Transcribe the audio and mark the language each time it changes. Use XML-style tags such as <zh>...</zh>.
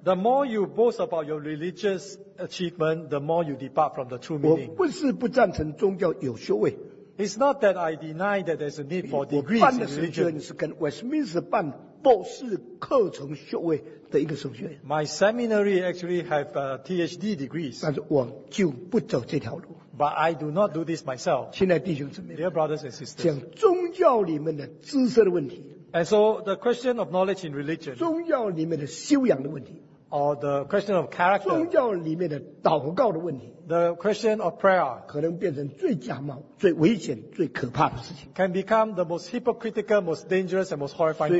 <en>The more you boast about your religious achievement, the more you depart from the true meaning.</en> <zh>我不是不赞成宗教有修为。</zh> <en>It's not that I deny that there's a need for degrees in religion.</en> <zh>我办的是跟Westminster办博士课程学位的一个学位。</zh> <en>My seminary actually have PhD degrees.</en> <zh>但是我就不走这条路。</zh> <en>But I do not do this myself.</en> <zh>亲爱弟兄姊妹,</zh> <en>dear brothers and sisters,</en> <zh>讲宗教里面的知识的问题。</zh> <en>And so the question of knowledge in religion,</en> <zh>宗教里面的修养的问题。</zh> <en>Or the question of character,</en> <zh>宗教里面的祷告的问题,</zh> <en>the question of prayer,</en> <zh>可能变成最假冒, 最危险, 最可怕的事情,</zh> <en>can become the most hypocritical, most dangerous, and most horrifying thing.</en>